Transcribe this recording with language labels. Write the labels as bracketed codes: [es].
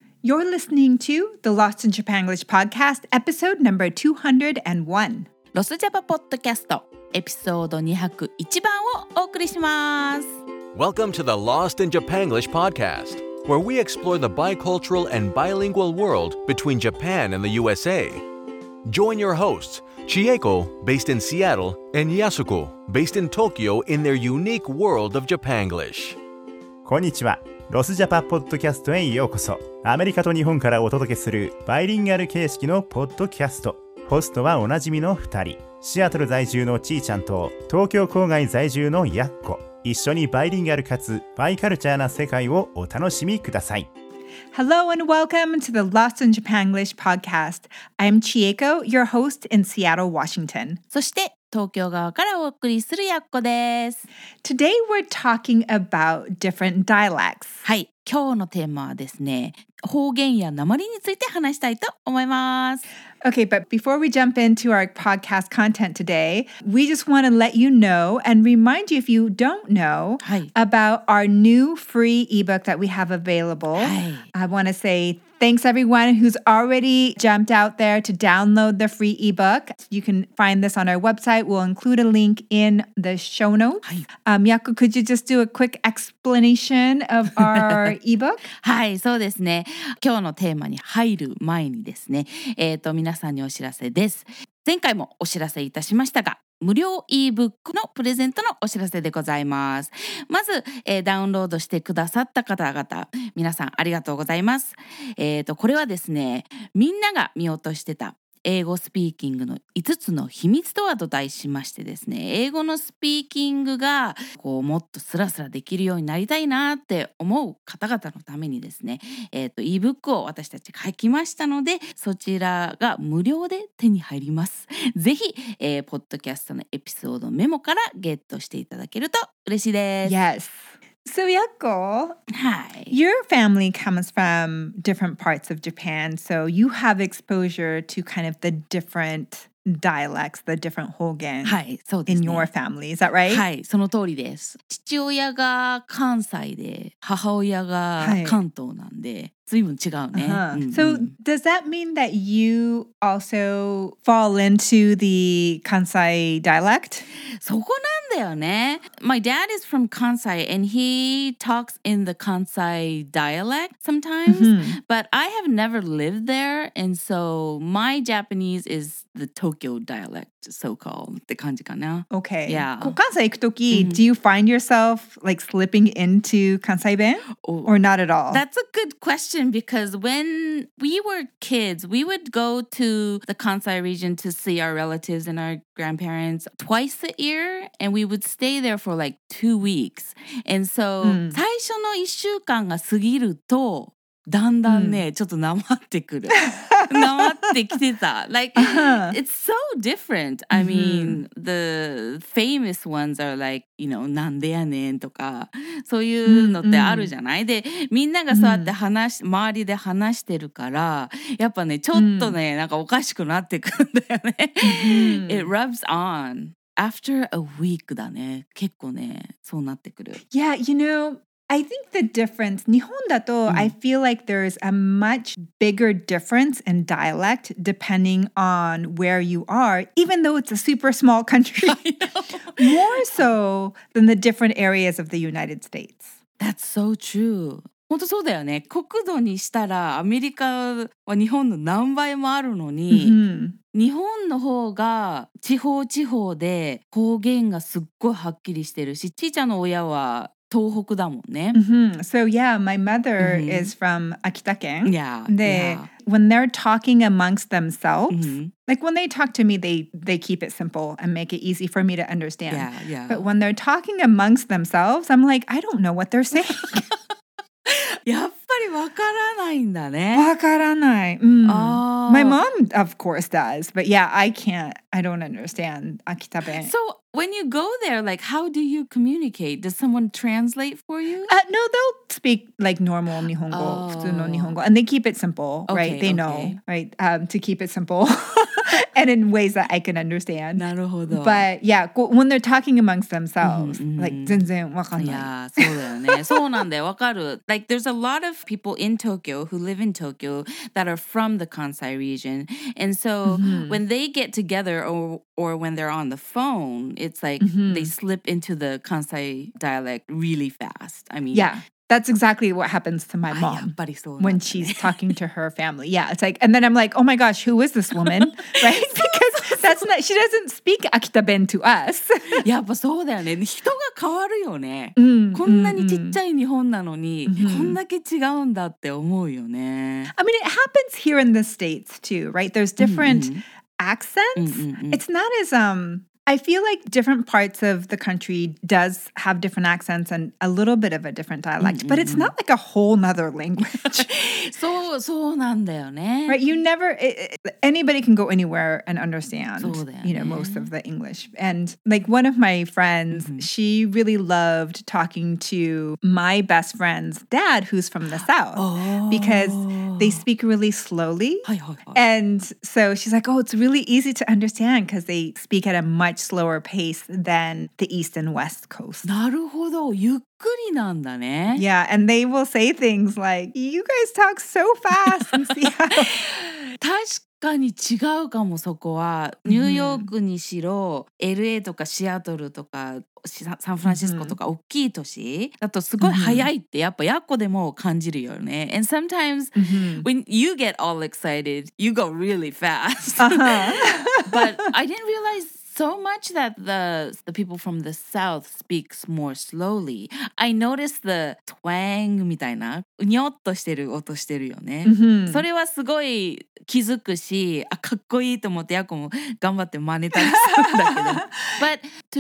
[en] You're listening to the Lost in Japanglish podcast, episode number 201. [ja] ロスジャパポッドキャスト、エピソード201番をお送りします。 [en] Welcome to the Lost in Japanglish podcast, where we explore the bicultural and bilingual world between Japan and the USA. Join your hosts, Chieko, based in Seattle, and Yasuko, based in Tokyo, in their unique world of Japanglish. [ja] こんにちは。ロスジャパポッドキャストへようこそ。アメリカと日本からお届けするバイリンガル形式のポッドキャスト。ホストはおなじみの2人、シアトル在住のちーちゃんと東京郊外在住のやっこ。一緒にバイリンガルかつバイカルチャーな世界をお楽しみください。 [en] Hello and welcome to the Lost in Japanglish podcast. I'm Chieko, your host in Seattle, Washington. [ja] そして東京側からお送りするやっこです。 [en] Today we're talking about different dialects. [ja] はい、今日のテーマはですね、方言や訛りについて話したいと思います。 [en] Okay, but before we jump into our podcast content today, we just want to let you know and remind you, if you don't know、 [ja] はい、 [en] about our new free ebook that we have available、 [ja] はい、 [en] I want to say thanks everyone who's already jumped out there to download the free ebook. You can find this on our website. We'll include a link in the show notes.、 [ja] はい、 [en] Yaku, could you just do a quick explanation of our ebook? [ja] はい、そうですね。今日のテーマに入る前にですね、皆さんにお知らせです。前回もお知らせいたしましたが、無料 ebook のプレゼントのお知らせでございます。まず、ダウンロードしてくださった方々、皆さんありがとうございます。これはですね、みんなが見落としてた英語スピーキングの5つの秘密とはと題しましてですね、英語のスピーキングがこうもっとスラスラできるようになりたいなって思う方々のためにですね、ebook を私たち書きましたので、そちらが無料で手に入ります。ぜひ、ポッドキャストのエピソードメモからゲットしていただけると嬉しいです。 [en] Yes. So Yakko, your family comes from different parts of Japan, so you have exposure to kind of the different dialects, the different hōgen、 [ja] はい、そうですね、 [en] in your family. Is that right? [ja] はい、その通りです。父親が関西で、母親が関東なんで、ずいぶん違うね。 Uh-huh. うんうん、 [en] so does that mean that you also fall into the Kansai dialect? [ja] そこなんだよね。 [en] My dad is from Kansai and he talks in the Kansai dialect sometimes.、 Mm-hmm. But I have never lived there and so my Japanese is the Tokyo dialect, so-called. [ja] って感じかな。 [en] Okay. Yeah. [ja] 関西行くとき、mm-hmm. [en] do you find yourself like slipping into Kansai 弁 or not at all? That's a good question. Because when we were kids, we would go to the Kansai region to see our relatives and our grandparents twice a year, and we would stay there for like 2 weeks. And so,、mm. [ja] 最初の1週間が過ぎると、だんだんね、mm. ちょっとなまってくる。なまってきてた。 [en] Like,、uh-huh. it's so different. I mean,、mm. the famous ones are like,You know, [ja] なんでやねんとかそういうのってあるじゃない、うん、でみんながそうやって話、うん、周りで話してるからやっぱねちょっとね、うん、なんかおかしくなってくんだよね、うん、 [en] It rubs on after a week [ja] だね結構ねそうなってくる [en] Yeah, you know, I think the difference [ja] 日本だと、 [en] うん、I feel like there is a much bigger difference in dialect depending on where you are even though it's a super small country I know. More so than the different areas of the United States. That's so true. [ja] 本当そうだよね。国土にしたらアメリカは日本の何倍もあるのに、 mm-hmm. 日本の方が地方地方で方言がすっごいはっきりしてるし、ちーちゃんの親は東北だもんね。 [en] Mm-hmm. So yeah, my mother、mm-hmm. is from Akita 県.Yeah. で、yeah. when they're talking amongst themselves,、mm-hmm. like when they talk to me, they keep it simple and make it easy for me to understand. Yeah, yeah. But when they're talking amongst themselves, I'm like, I don't know what they're saying. [ja] やっぱりわからないんだね。わからない。うん。 Oh. [en] My mom, of course, does. But yeah, I can't. I don't understand Akita 弁. So. When you go there, like, how do you communicate? Does someone translate for you? No, they'll speak, like, normal Nihongo, 普通の Nihongo. And they keep it simple, okay, right? They、 okay. know, right, to keep it simple. and in ways that I can understand. [ja] なるほど。 [en] But yeah, when they're talking amongst themselves, like [ja] 全然わかんない。 Yeah, そうだよね。そうなんだよ。わかる。 [en] Like there's a lot of people in Tokyo who live in Tokyo that are from the Kansai region. And so when they get together or when they're on the phone, it's like they slip into the Kansai dialect really fast. I mean, yeah. That's exactly what happens to my mom when she's talking to her family. Yeah, it's like, and then I'm like, oh my gosh, who is this woman? Right? Because that's not, she doesn't speak Akita Ben to us. Yeah, but so [ja] だよね。人が変わるよね。こんなにちっちゃい日本なのに、こんだけ違うんだって思うよね。 [en] I mean, it happens here in the States too, right? There's different accents. It's not as, I feel like different parts of the country does have different accents and a little bit of a different dialect, but it's not like a whole nother language. [ja] そう、そうなんだよね。 [en] Right, you never, anybody can go anywhere and understand, you know, most of the English. And like one of my friends, she really loved talking to my best friend's dad, who's from the South, because they speak really slowly. And so she's like, oh, it's really easy to understand because they speak at a much slower pace than the East and West Coast. [ja] なるほど。ゆっくりなんだね。 [en] Yeah, and they will say things like, you guys talk so fast in Seattle. [ja] 確かに違うかもそこは。ニューヨークにしろ、LA とかシアトルとか、サンフランシスコとか大きい都市だとすごい早いってやっぱやっこでも感じるよね。 [en] And sometimes when you get all excited, you go really fast. But I didn't realize so much that the people from the South speaks more slowly. I noticed the twang [ja] みたいな、にょっとしてる音してるよね。それはすごい気づくし、あ、かっこいいと思ってやっこも頑張って真似たりするんだけど。